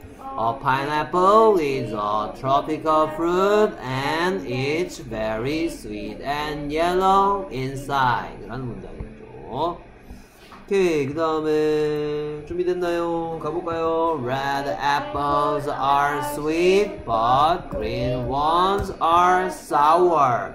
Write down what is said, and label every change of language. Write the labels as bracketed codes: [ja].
[en] A pineapple is a tropical fruit and it's very sweet and yellow inside. [ko] 라는 문장이죠. 오케이, 그 다음에 준비됐나요? 가볼까요? [en] Red apples are sweet, but green ones are sour.